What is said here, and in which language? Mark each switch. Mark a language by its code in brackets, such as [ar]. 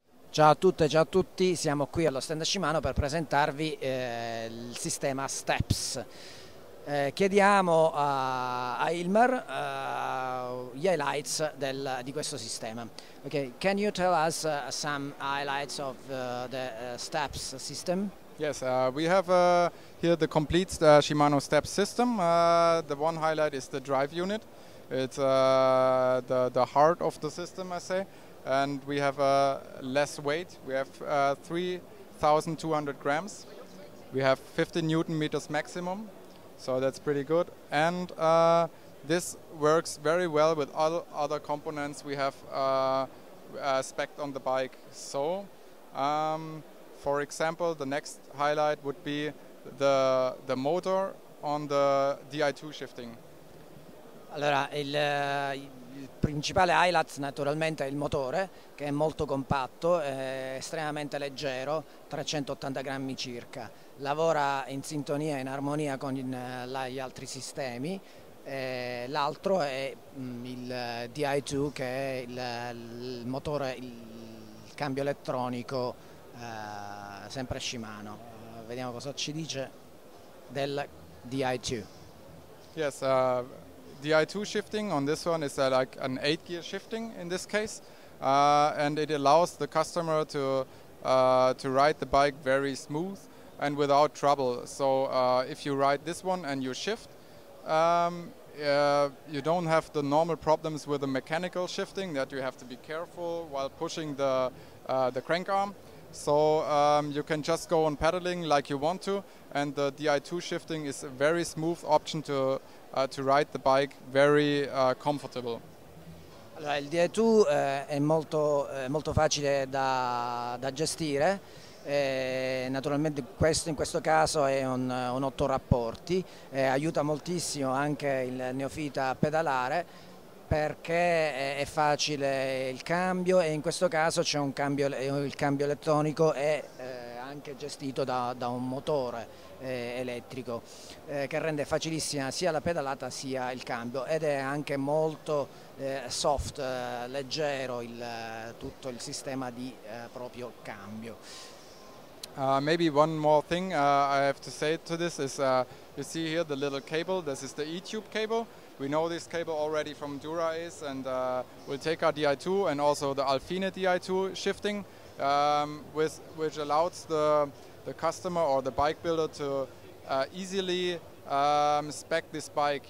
[it] Ciao a tutte, ciao a tutti, siamo qui allo stand Shimano per presentarvi il sistema STEPS. Chiediamo a Hilmar gli highlights di questo sistema. [en] Ok, can you tell us some highlights of the STEPS system? Yes, we have here the complete Shimano STEPS system. The one highlight is the drive unit. It's the heart of the system, I say. And we have less weight. We have 3,200 grams. We have 50 Newton meters maximum. So that's pretty good. And this works very well with all other components we have spec'd on the bike. So, for example, the next highlight would be the motor on the DI2 shifting. [it] Allora, il principale highlight naturalmente è il motore, che è molto compatto, estremamente leggero, 380 grammi circa. Lavora in sintonia, in armonia con gli altri sistemi. L'altro è il DI2, che è il motore, il cambio elettronico, sempre Shimano. Vediamo cosa ci dice del DI2. [en] Yes, DI2 shifting on this one is like an 8-gear shifting in this case, and it allows the customer to ride the bike very smooth and without trouble. So if you ride this one and you shift, you don't have the normal problems with the mechanical shifting that you have to be careful while pushing the crank arm. So you can just go on pedaling like you want to, and the DI2 shifting is a very smooth option to ride the bike very comfortable. [it] Allora, il DI2 è molto facile da gestire. Naturalmente in questo caso è un 8 rapporti, aiuta moltissimo anche il neofita a pedalare, perché è facile il cambio, e in questo caso c'è il cambio elettronico è anche gestito da un motore elettrico, che rende facilissima sia la pedalata sia il cambio, ed è anche molto soft, leggero tutto il sistema di proprio cambio. [en] Maybe one more thing I have to say to this is, you see here the little cable, this is the E-tube cable. We know this cable already from Dura Ace, and we'll take our DI2 and also the Alfine DI2 shifting, which allows the customer or the bike builder to easily spec this bike.